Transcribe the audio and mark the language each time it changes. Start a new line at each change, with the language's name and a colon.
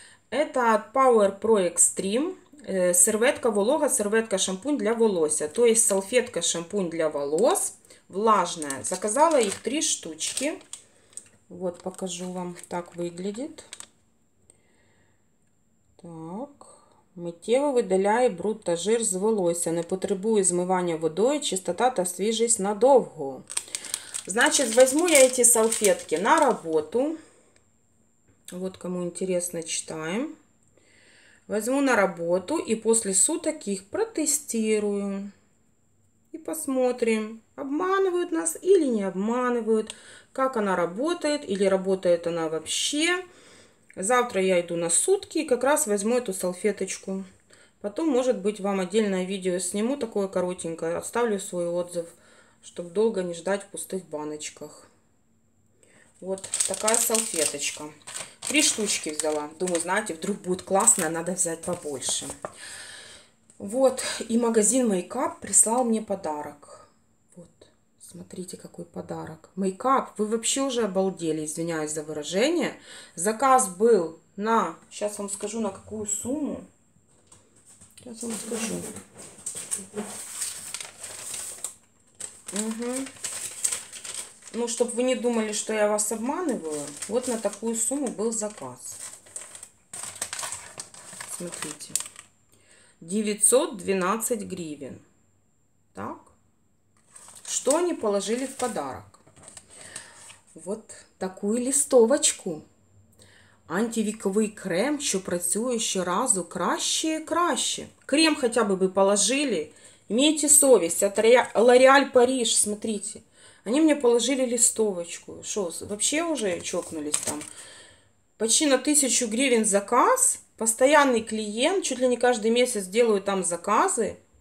Russian: Это от Power Pro Extreme.
Ukrainian: Серветка волога, серветка шампунь для волосся.
Russian: То есть салфетка шампунь для волос. Влажная. Заказала их 3 штучки. Вот, покажу вам, так выглядит. Так.
Ukrainian: Миттєво видаляє бруд та жир з волосся, не потребує змивання водою, чистота та свіжість надовго. Значить, візьму я ці салфетки на роботу. От кому цікаво, читаємо. Візьму на роботу і після суток їх протестую. І подивимося, обманують нас чи не обманують. Як вона працює, чи працює вона взагалі.
Russian: Завтра я иду на сутки и как раз возьму эту салфеточку. Потом, может быть, вам отдельное видео сниму, такое коротенькое. Оставлю свой отзыв, чтобы долго не ждать в пустых баночках. Вот такая салфеточка. 3 штучки взяла. Думаю, знаете, вдруг будет классно, надо взять побольше. Вот, и магазин мейкап прислал мне подарок. Вот, смотрите, какой подарок. Мейкап, вы вообще уже обалдели, извиняюсь за выражение. Заказ был на... Сейчас вам скажу, на какую сумму. Сейчас вам скажу. Угу. Ну, чтобы вы не думали, что я вас обманываю, вот на такую сумму был заказ. Смотрите. 912 гривен. Так. Что они положили в подарок? Вот такую листовочку. Антивековый крем, что
Ukrainian: працює щоразу краще и краще.
Russian: Крем хотя бы положили. Имейте совесть. Это Лореаль Париж, смотрите. Они мне положили листовочку. Что, вообще уже чокнулись там? Почти на 1000 гривен заказ. Постоянный клиент. Чуть ли не каждый месяц делаю там заказы.